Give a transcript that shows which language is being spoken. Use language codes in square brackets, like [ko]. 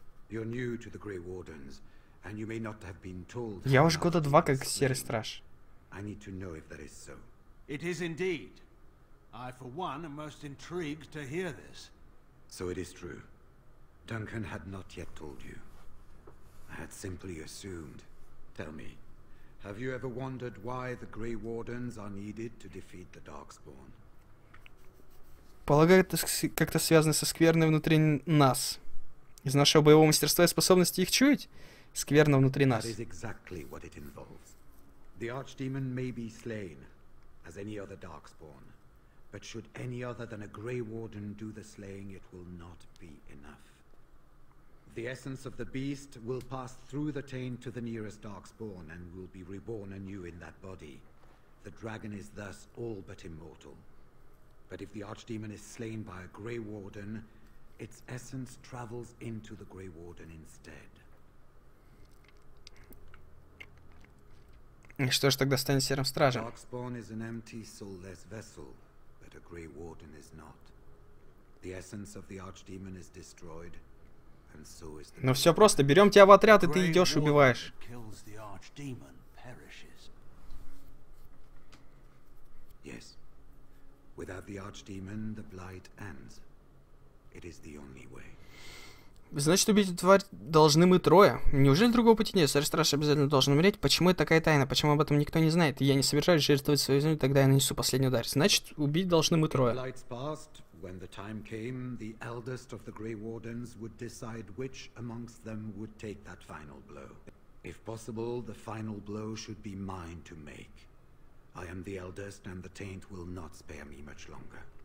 [en] You're new to the Grey Wardens, and you may not have been told. [ru] Я уже года два как серый страж. [en] I need to know if that is so. It is indeed. I, for one, am most intrigued to hear this. So it is true. Duncan had not yet told you. I had simply assumed. Tell me, have you ever wondered why the Grey Wardens are needed to defeat the Darkspawn? [ru] Полагаю, это как-то связано со скверной внутри нас. Из нашего боевого мастерства и способности их чуять? скверна внутри нас. [en] That is exactly what it involves. The Archdemon may be slain, as any other Darkspawn. But should any other than a Grey Warden do the slaying, it will not be enough. The essence of the beast will pass through the taint to the nearest Darkspawn and will be reborn anew in that body. The dragon is thus all but immortal. But if the Archdemon is slain by a Grey Warden, its essence travels into the Grey Warden instead. [ru] И что ж тогда станет Серым Стражем? [en] Darkspawn is an empty soulless vessel, but a Grey Warden is not. The essence of the Archdemon is destroyed, and so is the... [ru] Ну все просто, берем тебя в отряд, и ты идешь и убиваешь. [en] Kills the Archdemon, perishes. Yes. Without the Archdemon, the blight ends. It is the only way. [ru] Значит, убить эту тварь должны мы трое. Неужели другого пути нет? Серый Страж обязательно должен умереть. Почему это такая тайна? Почему об этом никто не знает? Я не собираюсь жертвовать свою жизнь, тогда я нанесу последний удар. Значит, убить должны мы трое. [en] When the lights passed, when the time came, the eldest of the Grey Wardens would decide which amongst them would take that final blow. If possible, the final blow should be mine to make. I am the eldest, and the taint will not spare me much longer.